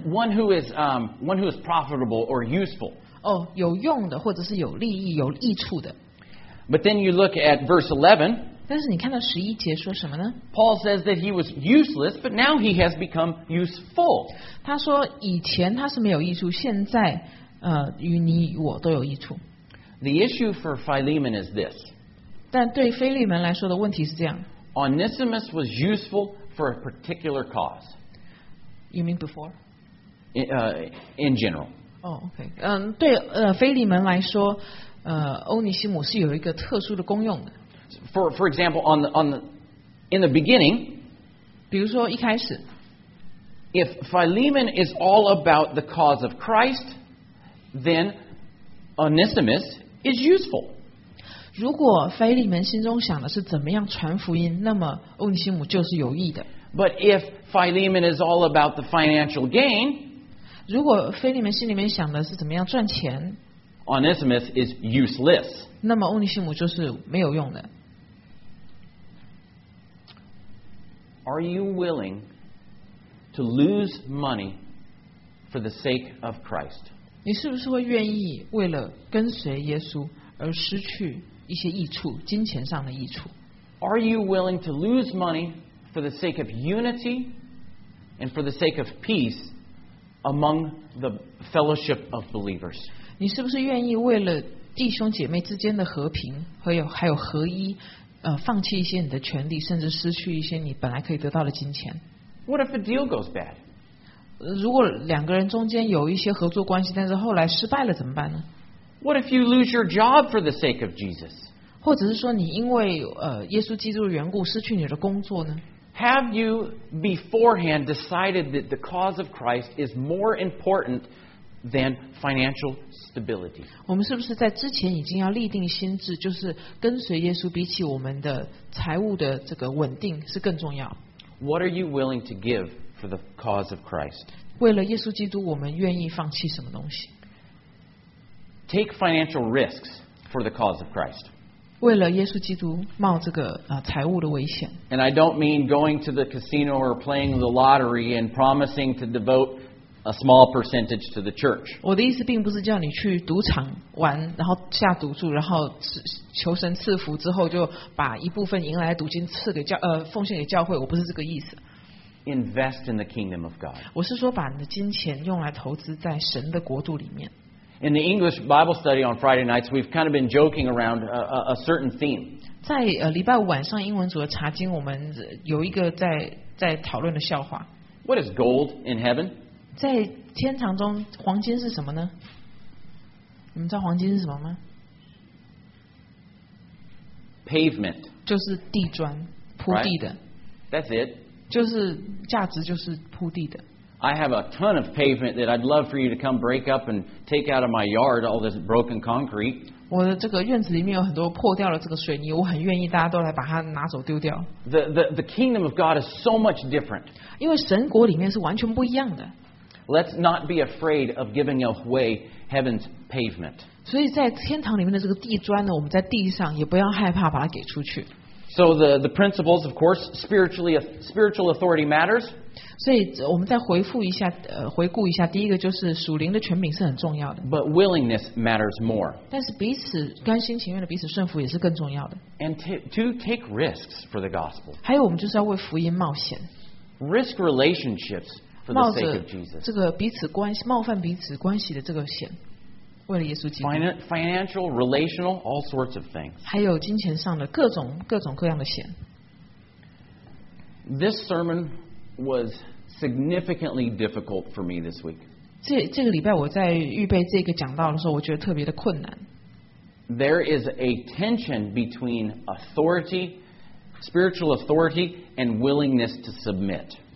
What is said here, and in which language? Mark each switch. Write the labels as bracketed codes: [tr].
[en] One who is one who is profitable or useful. [zh] 哦，有用的或者是有利益、有益处的。 [en] But then you look at verse 11. [zh] 但是你看到十一节说什么呢 [en] ？Paul says that he was useless, but now he has become useful. [zh] 他说以前他是没有益处，现在与你我都有益处。 [en] The issue for Philemon is this. [zh] 但对腓利门来说的问题是这样。 [en] Onesimus was useful for a particular cause. You mean before? In general. Oh, okay. [zh] 对腓利门来说，欧尼西姆是有一个特殊的功用的。 [en] For example, in the beginning. [zh] 比如说一开始。 [en] If Philemon is all about the cause of Christ, then Onesimus is useful. [zh] 如果腓利门心中想的是怎么样传福音，那么欧尼西姆就是有益的。 [en] But if Philemon is all about the financial gain, [zh] 如果腓利门心里面想的是怎么样赚钱， [en] Onesimus is useless. [zh] 那么欧尼西姆就是没有用的。 [en] Are you willing to lose money for the sake of Christ? [zh] 你是不是会愿意为了跟随耶稣而失去？一些益处，金钱上的益处。 [en] Are you willing to lose money for the sake of unity and for the sake of peace among the fellowship of believers? [zh] 你是不是愿意为了弟兄姐妹之间的和平还有合一，放弃一些你的权利，甚至失去一些你本来可以得到的金钱 [en] ？What if a deal goes bad? [zh] 如果两个人中间有一些合作关系，但是后来失败了，怎么办呢？ [en] What if you lose your job for the sake of Jesus? [zh] 或者是说你因为耶稣基督的缘故失去你的工作呢？ [en] Have you beforehand decided that the cause of Christ is more important than financial stability? [zh] 我们是不是在之前已经要立定心智，就是跟随耶稣比起我们的财务的这个稳定是更重要？ [en] What are you willing to give for the cause of Christ? [zh] 为了耶稣基督，我们愿意放弃什么东西？ [en] Take financial risks for the cause of Christ. [zh] 为了耶稣基督冒这个财务的危险。 [en] And I don't mean going to the casino or playing the lottery and promising to devote a small percentage to the church. [zh] 我的意思并不是叫你去赌场玩，然后下赌注，然后求神赐福之后就把一部分赢来赌金赐给教奉献给教会。我不是这个意思。 [en] Invest in the kingdom of God. [zh] 我是说把你的金钱用来投资在神的国度里面。 [en] In the English Bible study on Friday nights, we've kind of been joking around a certain theme. [zh] 在礼拜五晚上英文组的查经，我们有一个在讨论的笑话。 [en] What is gold in heaven? [zh] 在天堂中，黄金是什么呢？你们知道黄金是什么吗 [en] ？Pavement. [zh] 就是地砖，铺地的。 [en] That's it. [zh] 就是价值，就是铺地的。 [en] I have a ton of pavement that I'd love for you to come break up and take out of my yard all this broken concrete. [zh] 我的这个院子里面有很多破掉的这个水泥，我很愿意大家都来把它拿走丢掉。 [en] The kingdom of God is so much different. [zh] 因为神国里面是完全不一样的。 [en] Let's not be afraid of giving away heaven's pavement. [zh] 所以在天堂里面的这个地砖呢，我们在地上也不要害怕把它给出去。 [en] So the principles, of course, spiritual authority matters. [zh] 所以我们再回复一下，回顾一下。第一个就是属灵的权柄是很重要的。 [en] But willingness matters more. [zh] 但是彼此甘心情愿的彼此顺服也是更重要的。 [en] And to take risks for the gospel. [zh] 还有我们就是要为福音冒险。 [en] Risk relationships for the sake of Jesus. [zh] 这个彼此关系冒犯彼此关系的这个险，为了耶稣基督。 [en] Financial, relational, all sorts of things. [zh] 还有金钱上的各种各样的险。 [en] This sermon was significantly difficult for me this week. [zh] 这个礼拜我在预备这个讲道的时候，我觉得特别的困难。 [en] There is a tension between authority, spiritual authority, and willingness to submit.